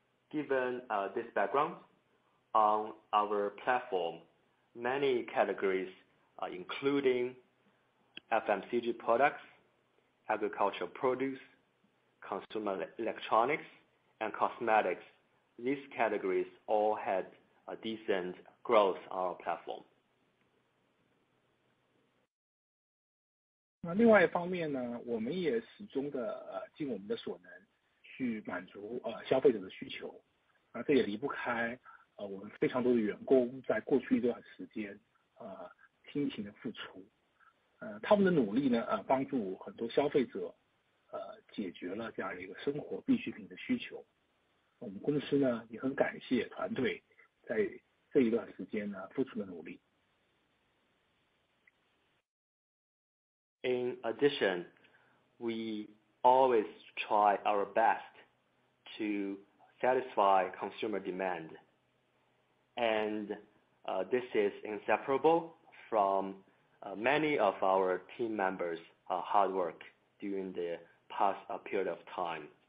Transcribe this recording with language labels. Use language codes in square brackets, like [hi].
[en] Given this background, on our platform, many categories, including FMCG products, agricultural produce, consumer electronics,and cosmetics, these categories all had a decent growth on our platform. [zh] 那另外一方面呢，我们也始终的尽我们的所能去满足消费者的需求，这也离不开我们非常多的员工在过去一段时间辛勤的付出，他们的努力呢帮助很多消费者解决了这样一个生活必需品的需求。我们公司呢也很感谢团队在这一段时间呢付出的努力。 [en] In addition, we always try our best to satisfy consumer demand, and this is inseparable from many of our team members' hard work during the past period of time.